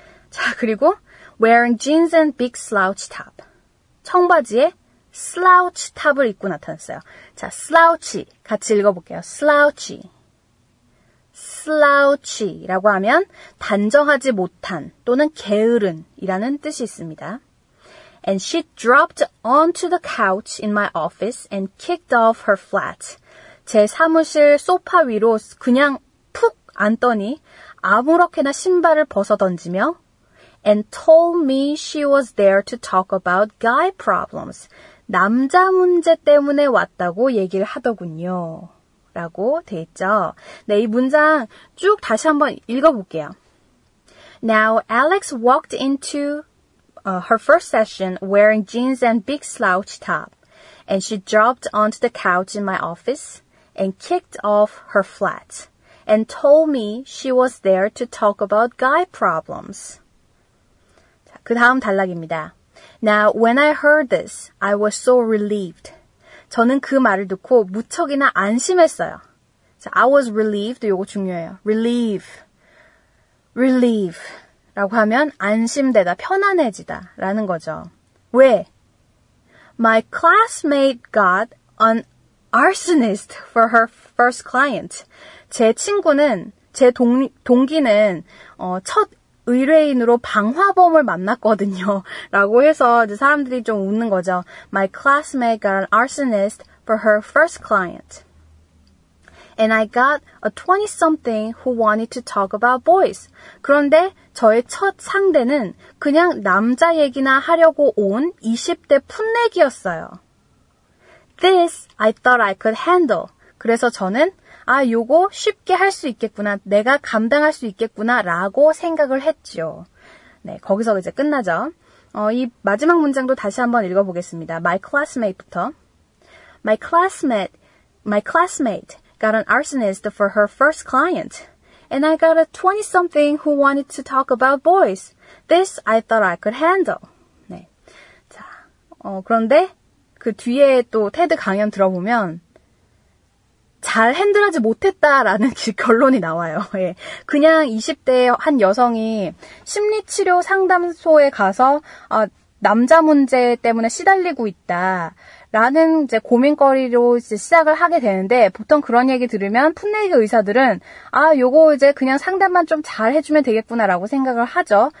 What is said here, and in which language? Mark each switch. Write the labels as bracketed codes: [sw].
[en] 자, 그리고 wearing jeans and big slouch top. [ko] 청바지에 slouch top을 입고 나타났어요. 자, slouch 같이 읽어볼게요. slouch. slouch라고 하면 단정하지 못한 또는 게으른 이라는 뜻이 있습니다. [en] And she dropped onto the couch in my office and kicked off her flat. [ko] 제 사무실 소파 위로 그냥 푹 앉더니 아무렇게나 신발을 벗어 던지며 [en] and told me she was there to talk about guy problems. [ko] 남자 문제 때문에 왔다고 얘기를 하더군요. 라고 돼 있죠. 네, 이 문장 쭉 다시 한번 읽어볼게요. [en] Now Alex walked into her first session wearing jeans and big slouch top and she dropped onto the couch in my office. And kicked off her flat. And told me she was there to talk about guy problems. [ko] 자, 그 다음 단락입니다. [en] Now, when I heard this, I was so relieved. [ko] 저는 그 말을 듣고 무척이나 안심했어요. [en] 자, I was relieved. [ko] 이거 중요해요. [en] Relieve. Relieve. [ko] 라고 하면 안심되다, 편안해지다 라는 거죠. [en] 왜? My classmate got an arsonist for her first client. [ko] 제 친구는, 제 동기는 첫 의뢰인으로 방화범을 만났거든요. 라고 해서 이제 사람들이 좀 웃는 거죠. [en] My classmate got an arsonist for her first client. And I got a 20-something who wanted to talk about boys. [ko] 그런데 저의 첫 상대는 그냥 남자 얘기나 하려고 온 20대 풋내기였어요. [en] This I thought I could handle. [ko] 그래서 저는 아 요거 쉽게 할 수 있겠구나, 내가 감당할 수 있겠구나라고 생각을 했죠. 네, 거기서 이제 끝나죠. 이 마지막 문장도 다시 한번 읽어보겠습니다. [en] My classmate [ko] 부터. My classmate [en] got an arsonist for her first client. And I got a 20-something who wanted to talk about boys. This I thought I could handle. 네. [ko] 자, 그런데 그 뒤에 또 테드 강연 들어보면 잘 핸들하지 못했다라는 결론이 나와요. 예. 그냥 20대 한 여성이 심리치료 상담소에 가서 남자 문제 때문에 시달리고 있다라는 이제 고민거리로 이제 시작을 하게 되는데 보통 그런 얘기 들으면 풋내기 의사들은 아 요거 이제 그냥 상담만 좀 잘 해주면 되겠구나라고 생각을 하죠.